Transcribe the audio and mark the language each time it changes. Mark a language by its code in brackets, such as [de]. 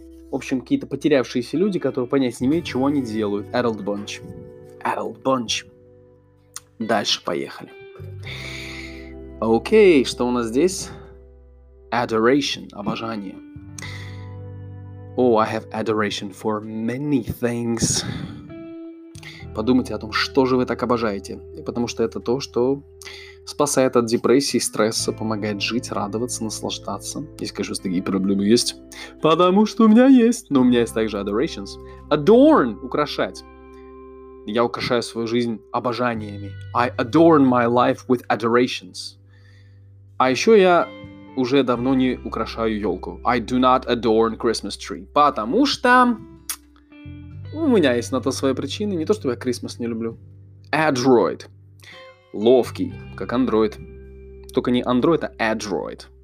[ru] В общем, какие-то потерявшиеся люди, которые понять не имеют, чего они делают. [en] Adult bunch. Adult bunch. [ru] Дальше поехали. Окей, что у нас здесь? [en] Adoration, обожание. Oh, I have adoration for many things. [ru] Подумайте о том, что же вы так обожаете. Потому что это то, что спасает от депрессии, стресса, помогает жить, радоваться, наслаждаться. Если, конечно, у вас такие проблемы есть. Потому что у меня есть. Но у меня есть также adorations. Adorn – украшать. Я украшаю свою жизнь обожаниями. [en] I adorn my life with adorations. [ru] А еще я уже давно не украшаю елку. [en] I do not adorn Christmas tree. [ru] Потому что у меня есть на то свои причины. Не то, чтобы я Christmas не люблю. Android. Ловкий, как Android. Только не Android, а Android.